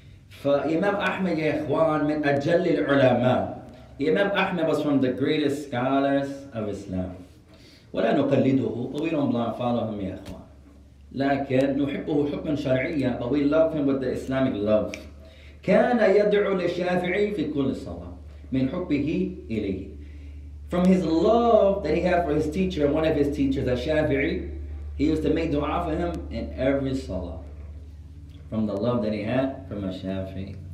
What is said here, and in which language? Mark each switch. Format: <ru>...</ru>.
<ar>فإمام أحمد يا إخوان من أجل العلماء.</ar> <en>Imam Ahmed was from the greatest scholars of Islam.</en> <ar>ولا نقلده.</ar> <en>We don't blind follow him</en> <ar>يا إخوان. لكن نحبه حبا شرعيا.</ar> <en>But we love him with the Islamic love.</en> <ar>كان يدعو للشافعي في كل صلاة من حبه إليه.</ar> <en>From his love that he had for his teacher, one of his teachers, a Shafi'i, he used to make dua for him in every salah. From the love that he had from a Shafi'i.</en>